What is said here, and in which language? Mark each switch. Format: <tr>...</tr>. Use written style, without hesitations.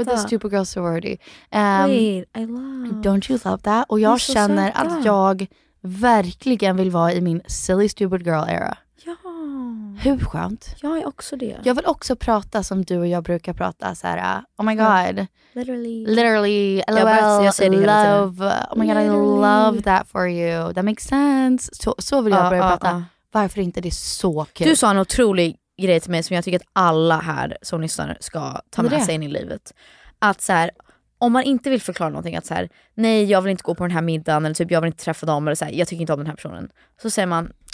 <en>We're the stupid girls sorority. Wait, I love. Don't you love that?</en> <sv>Och jag känner söta. Att jag verkligen vill vara i min</sv> <en>silly stupid girl era.</en> <sv>Ja. Hur skönt. Jag är också det. Jag vill också prata som du och jag brukar prata så här.</sv> <en>Oh my god. Literally. LOL. Oh my god, I love that for you. That makes sense.</en> <sv>Så vill jag börja prata. Varför inte, det är så kul. Du sa en otrolig grej till mig som jag tycker att alla här som lyssnar ska ta med sig in i livet. Att så här, om man inte vill förklara någonting, att så här, nej, jag vill inte gå på den här middagen, eller typ jag vill inte träffa dem, eller så här, jag tycker inte om den här personen. Så säger man,</sv>